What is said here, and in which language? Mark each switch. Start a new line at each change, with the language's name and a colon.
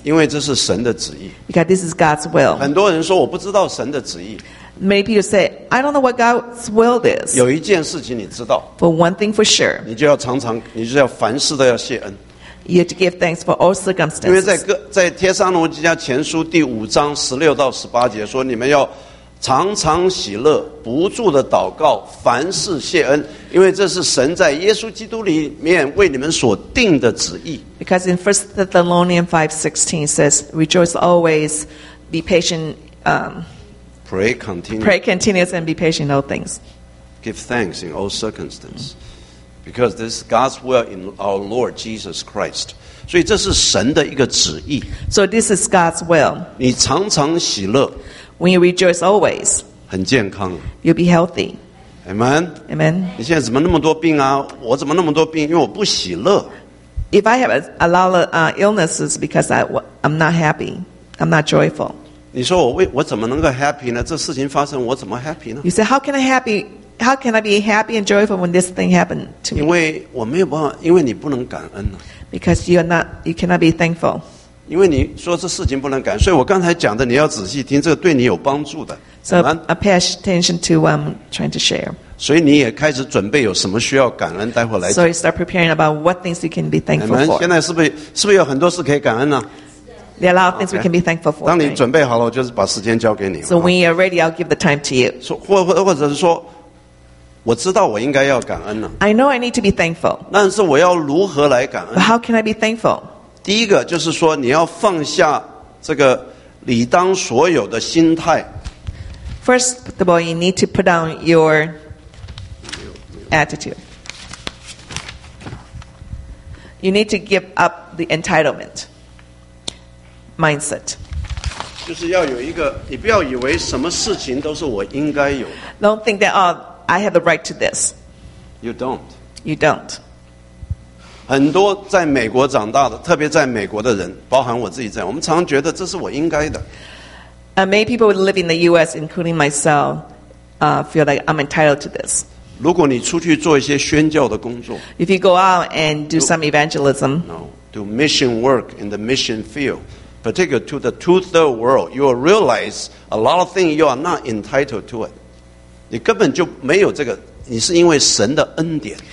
Chinese: 因为这是神的旨意。
English: Because this is God's will.
Chinese: 很多人说我不知道神的旨意。
English: Many people say, I don't know what God's will is.
Chinese: 有一件事情你知道。
English: For one thing for sure.
Chinese: 你就要常常，你就要凡事都要谢恩。
English: You have to give thanks for all circumstances.
Chinese: 因为在帖撒罗尼迦前书第五章十六到十八节说，你们要常常喜乐，不住的祷告，凡事谢恩，因为这是神在耶稣基督里面为你们所定的旨意。
English: Because in 1 Thessalonians 5:16 says, rejoice always, be patient, Pray continuous and be patient in all things. Give thanks in all circumstances. Because this is God's will in our Lord Jesus Christ.
Chinese: 所以这是神的一个旨意。
English: So this is God's will.
Chinese: 你常常喜乐。
English: When you rejoice always.
Chinese: 很健康。
English: You'll be healthy. Amen. Amen.
Chinese: 你现在怎么那么多病啊？我怎么那么多病？因为我不喜乐。
English: If I have a lot of illnesses because I'm not happy, I'm not joyful.
Chinese: 你说我怎么能够 happy 呢？这事情发生我怎么 happy 呢？
English: You say how can I be happy and joyful when this thing happened to me?
Chinese: 因为我没有办法，因为你不能感恩呢。
English: Because you cannot be thankful.
Chinese: 因为你说这事情不能感恩，所以我刚才讲的你要仔细听，这个对你有帮助的。
English: So I pay attention to what I'm trying to share.
Chinese: 所以你也开始准备有什么需要感恩，待会来。
English: So you start preparing about what things you can be thankful for.
Chinese: 现在是不是有很多事可以感恩呢？
English: There are a lot of things we can be thankful for.
Chinese: 当你准备好了，我就是把时间交给你。
English: So when you are ready, I'll give the time to you.
Chinese: 或者是说，我知道我应该要感恩了。
English: I know I need to be thankful.
Chinese: 但是我要如何来感恩？
English: How can I be thankful?
Chinese: 第一个就是说，你要放下这个理当所有的心态。
English: First of all, you need to put down your attitude. You need to give up the entitlement. Mindset.
Chinese: 就是要有一个，你不要以为什么事情都是我应该有。
English: Don't think that oh, I have the right to this. You don't. You don't.
Chinese: 很多在美国长大的，特别在美国的人，包含我自己在，我们常觉得这是我应该的。
English: Many people living in the U.S., including myself, feel like I'm entitled to this.
Chinese: 如果你出去做一些宣教的工作
English: ，If you go out and do some evangelism, no, do mission work in the mission field. Particular to the two-third world, you will realize a lot of things you are not entitled to it.
Chinese: 你根本就没有这个，你是因为神的恩典。